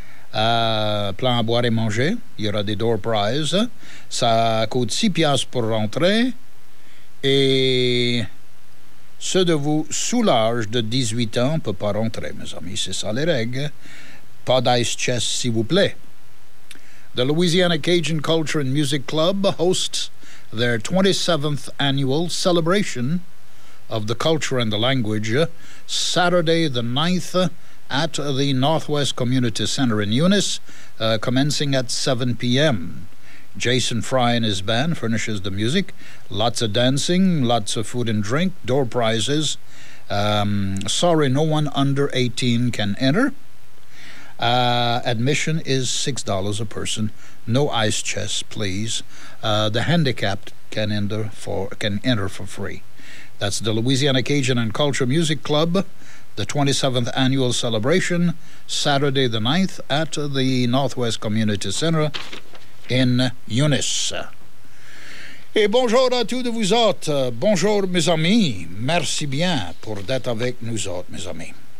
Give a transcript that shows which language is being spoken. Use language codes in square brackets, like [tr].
[fr] Plein à boire et manger, il y aura des [en] door prizes. [fr] Ça coûte 6$ pour rentrer. Et ceux de vous sous l'âge de 18 ans ne peuvent pas rentrer, mes amis, c'est ça les règles. Pas d'ice chest, s'il vous plaît. [en] The Louisiana Cajun Culture and Music Club hosts their 27th annual celebration of the Culture and the Language, Saturday the 9th at the Northwest Community Center in Eunice, commencing at 7 p.m. Jason Fry and his band furnishes the music. Lots of dancing, lots of food and drink, door prizes. Sorry, no one under 18 can enter. Admission is $6 a person. No ice chests, please. The handicapped can enter for free. That's the Louisiana Cajun and Culture Music Club, the 27th annual celebration, Saturday the 9th at the Northwest Community Center in Eunice. [fr] Et bonjour à tous de vous autres. Bonjour, mes amis. Merci bien pour d'être avec nous autres, mes amis.